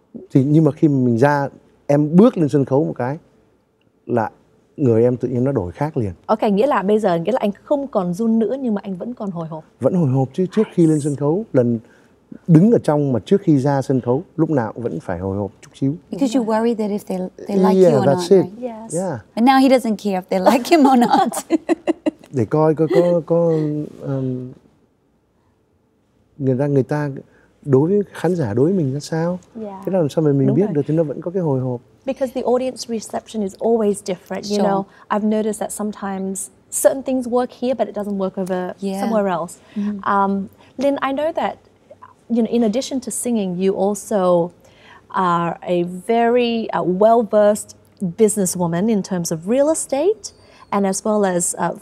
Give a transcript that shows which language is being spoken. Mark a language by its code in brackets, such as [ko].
[vi] Thì nhưng mà khi mình ra, em bước lên sân khấu một cái là người em tự nhiên nó đổi khác liền. Ok, nghĩa là bây giờ nghĩa là anh không còn run nữa nhưng mà anh vẫn còn hồi hộp. Vẫn hồi hộp chứ, trước khi lên sân khấu, lần đứng ở trong mà trước khi ra sân khấu lúc nào cũng vẫn phải hồi hộp chút xíu. [en] Because you worry that if they like you or not. Yeah, that's it. Right? Yes. Yeah. And now he doesn't care if they like him or not. [vi] Để coi có người ta đối với khán giả đối với mình ra sao. [en] Yeah. [vi] Thế là làm sao mà mình biết được thì nó vẫn có cái hồi hộp. [en] Because the audience reception is always different, you know. I've noticed that sometimes certain things work here but it doesn't work over somewhere else. Lynn, I know that you know, in addition to singing, you also are a very well-versed businesswoman in terms of real estate and as well as